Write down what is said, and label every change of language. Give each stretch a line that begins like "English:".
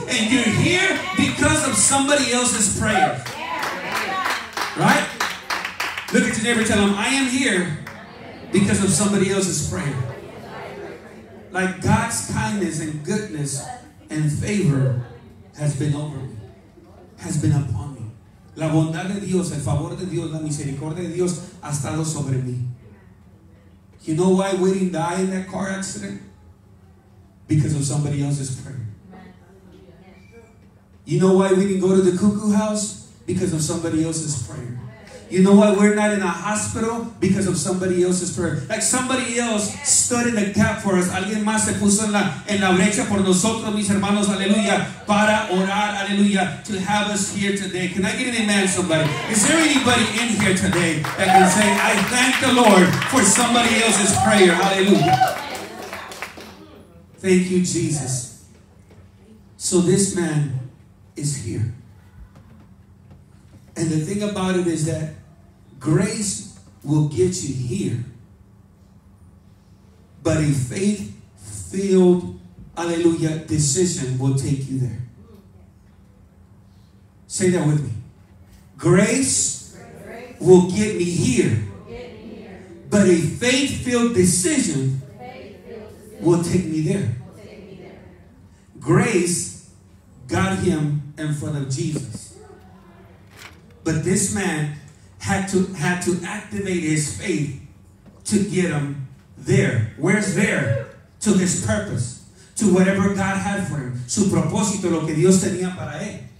English: And you're here because of somebody else's prayer. Right? Look at your neighbor and tell him, I am here because of somebody else's prayer. Like God's kindness and goodness and favor has been over me, has been upon me.
Spanish: La bondad de Dios, el favor de Dios, la misericordia de Dios ha estado sobre mí.
English: You know why we didn't die in that car accident? Because of somebody else's prayer. You know why we didn't go to the cuckoo house? Because of somebody else's prayer. You know what? We're not in a hospital because of somebody else's prayer. Like somebody else stood in the gap for us.
Spanish: Alguien más se puso en la brecha por nosotros, mis hermanos.
English: Aleluya.
Spanish: Para orar.
English: Aleluya. To have us here today. Can I get an amen, somebody? Is there anybody in here today that can say, I thank the Lord for somebody else's prayer? Aleluya. Thank you, Jesus. So this man is here. And the thing about it is that grace will get you here. But a faith-filled, hallelujah, decision will take you there. Say that with me. Grace will get me here. But a faith-filled decision will take me there. Grace got him in front of Jesus. But this man had to activate his faith to get him there. Where's there? To his purpose. To whatever God had for him.
Spanish: Su propósito, lo que Dios tenía para él.